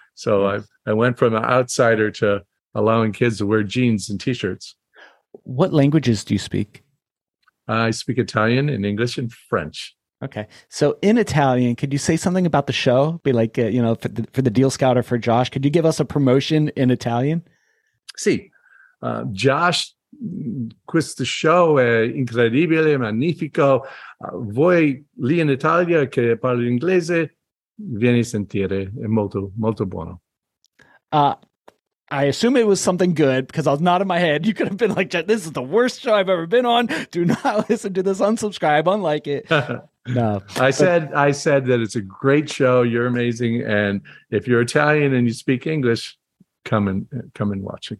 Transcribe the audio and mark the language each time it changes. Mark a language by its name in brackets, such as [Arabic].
[English] So I went from an outsider to allowing kids to wear jeans and t-shirts. What languages do you speak? I speak Italian and English and French. Okay. So in Italian, could you say something about the show? Be like, you know, for the Deal Scout or for Josh, could you give us a promotion in Italian? [Italian] Sì. Josh, questo show è incredibile, magnifico. Voi lì in Italia che parli inglese, vieni a sentire. È molto, molto buono. [English] I assume it was something good because I was nodding my head. You could have been like, this is the worst show I've ever been on. Do not listen to this. Unsubscribe. Unlike it. No, I said that it's a great show. You're amazing. And if you're Italian and you speak English, come and watch it.